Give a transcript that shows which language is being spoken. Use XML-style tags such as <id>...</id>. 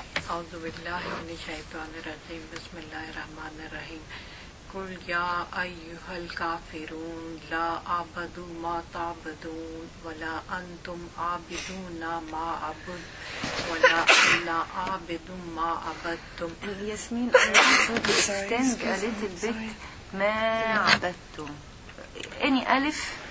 <ar>أعوذ بالله من الشيطان الرجيم. بسم الله الرحمن الرحيم. قل يا أيها الكافرون لا أعبد ما تعبدون ولا أنتم عابدون ما أعبد ولا أنا عابد ما عبدتم.</ar> <en>ياسمين extend a little bit.</en> <ar>ما عبدتم</ar> <en>any</en> <ar>ألف</ar>